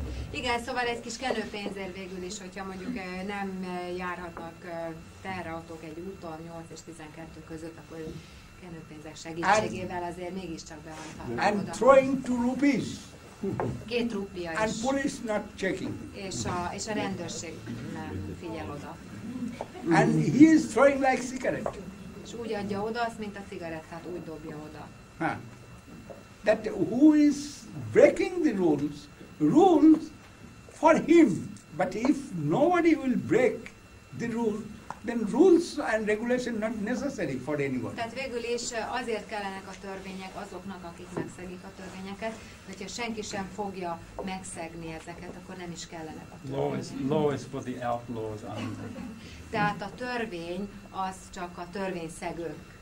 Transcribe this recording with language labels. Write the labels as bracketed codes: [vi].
[hu] Igen, szóval egy kis kenőpénzért végül is, hogyha mondjuk nem járhatnak teherautók egy úton 8 és 12 között, akkor kenőpénzek segítségével azért mégiscsak beállhatnak oda. [en] And throwing 2 rupees. [hu] 2 rupia is. [en] And police not checking. [hu] És a rendőrség nem figyel oda. [en] And he is throwing like cigarette. [hu] És úgy adja oda azt, mint a cigarettát, úgy dobja oda. [en] That who is breaking the rules, rules for him, but if nobody will break the rule, then rules and regulation not necessary for anyone. [hu] Tehát végül is azért kellenek a törvények azoknak, akik megszegik a törvényeket, hogyha senki sem fogja megszegni ezeket, akkor nem is kellenek a törvények. [en] Law is for the outlaws only. [hu] Tehát a törvény az csak a törvényszegők.